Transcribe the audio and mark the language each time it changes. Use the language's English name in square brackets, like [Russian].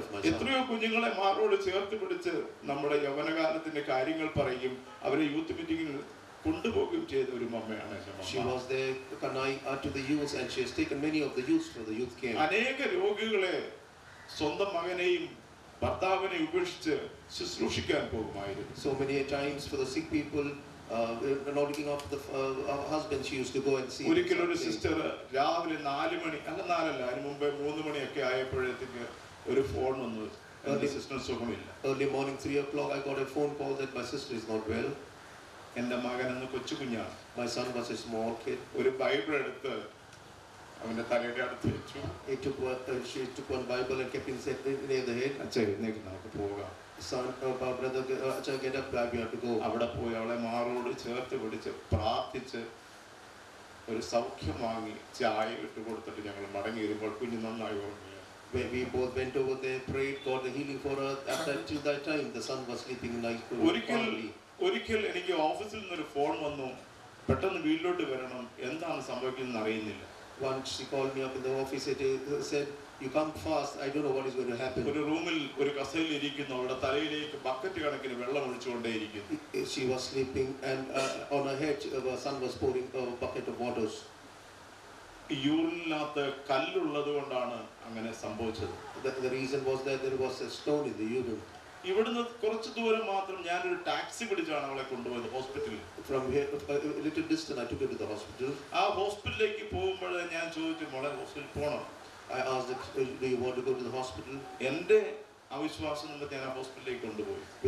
[Malayalam] എത്രയോ കുഞ്ഞുങ്ങളെ മാറോട് ചേർത്ത് പിടിച്ച് നമ്മുടെ യൗവനകാലത്തിന്റെ കാര്യങ്ങൾ പറയും അവരെ യൂത്ത് മീറ്റിംഗിൽ കൊണ്ടുപോകുകയും ചെയ്ത ഒരു മമ്മയാണ് അനേക രോഗികളെ സ്വന്തം മകനെയും ഭർത്താവിനെ ഉപേക്ഷിച്ച് ശുശ്രൂഷിക്കാൻ പോകുമായിരുന്നു [English] not looking after the husband she used to go and see [Malayalam] ഒരിക്കൽ ഒരു സിസ്റ്റർ രാവിലെ 4 മണി അല്ല 4 അല്ല അതിനു മുമ്പേ 3 മണി ഒക്കെ ആയപ്പോഴേക്ക് ഒരു ഫോൺ വന്നു എന്റെ സിസ്റ്റർ സുഖമില്ല [English] early morning 3 o'clock I got a phone call that my sister is not well [Malayalam] എന്റെ മകൻ എന്ന കൊച്ചു കുഞ്ഞാണ് [English] my son was a small kid [Malayalam] ഒരു ബൈബിൾ എടുത്ത് അവന്റെ തലയുടെ അടുത്ത് വെച്ചു [English] he took what she took one bible and kept inside the head [Malayalam] അച്ഛൻ എന്നേക്ക് നമുക്ക് പോകാം അവിടെ പോയി അവളെ മാറോട് ചേർത്ത് പിടിച്ച് പ്രാർത്ഥിച്ച് ഒരു സൗഖ്യം വാങ്ങി ചായ ഇട്ട് കൊടുത്തിട്ട് ഞങ്ങൾ മടങ്ങി വരുമ്പോൾ കുഞ്ഞു നന്നായി ഓർമ്മയാണ് ഒരിക്കൽ എനിക്ക് ഓഫീസിൽ നിന്ന് ഒരു ഫോൺ വന്നു പെട്ടെന്ന് വീട്ടിലോട്ട് വരണം എന്താണ് സംഭവിക്കുന്നത് അറിയുന്നില്ല [English] once she called me up in the office and said you come fast I don't know what is going to happen [Malayalam] ഒരു റൂമിൽ ഒരു കസേരയിൽ ഇരിക്കുന്ന അവളുടെ തലയിലേക്ക് ബക്കറ്റ് കണക്കിന് വെള്ളം ഒഴിച്ചുകൊണ്ടേയിരിക്കുന്നു [English] she was sleeping and on her head the sun was pouring a bucket of water [Malayalam] യൂറിനകത്ത് കല്ലുള്ളതുകൊണ്ടാണ് അങ്ങനെ സംഭവിച്ചത് [English] the reason was that there was a stone in the urine [Malayalam] ഇവിടുന്ന് കുറച്ച് ദൂരം മാത്രം ഞാൻ ഒരു ടാക്സി പിടിച്ചാണ് അവളെ കൊണ്ടുപോയത് ഹോസ്പിറ്റലിൽ ആ ഹോസ്പിറ്റലിലേക്ക് പോകുമ്പോൾ ഞാൻ ചോദിച്ചു മോളെ ഹോസ്പിറ്റലിൽ പോകണം [English] I asked do you want to go to the hospital [Malayalam] എന്റെ അവിശ്വാസം എന്ന് പറഞ്ഞാൽ ഹോസ്പിറ്റലിലേക്ക് കൊണ്ടുപോയി.